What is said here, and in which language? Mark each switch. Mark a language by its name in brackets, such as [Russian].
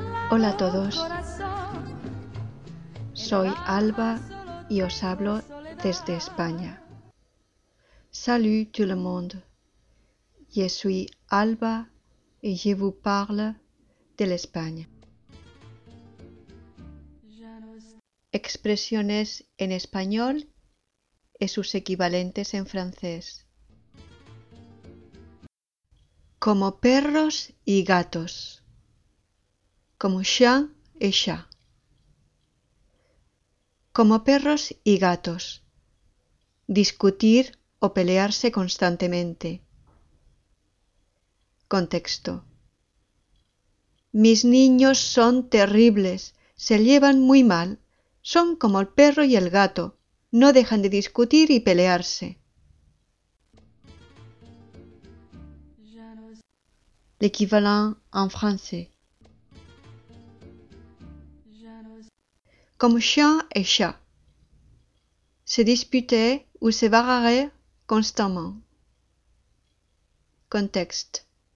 [Spanish] Hola a todos, soy Alba y os hablo desde España. [French] Salut tout le monde, je suis Alba y je vous parle de l'Espagne. [Spanish] Expresiones en español y sus equivalentes en francés. Como perros y gatos. [French] Como chien y chat. [Spanish] Como perros y gatos. Discutir o pelearse constantemente. Contexto. Mis niños son terribles. Se llevan muy mal. Son como el perro y el gato. No dejan de discutir y pelearse. [French] L'équivalent en français. Comme chien et chat. Se disputaient ou se bagarraient constamment. Contexte.